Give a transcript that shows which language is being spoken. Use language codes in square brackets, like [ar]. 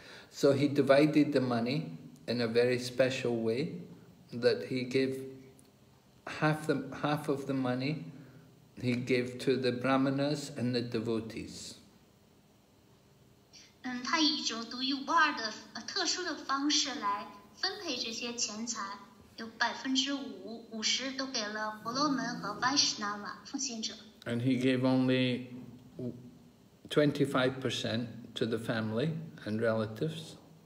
[en] So he divided the money in a very special way, that he gave half of the money he gave to the brahmanas and the devotees. [zh] 他以一种独一无二的特殊的方式来分配这些钱财，有百分之五十都给了婆罗门和Vaishnava奉献者。 [en] And he gave only 25% to the family and relatives.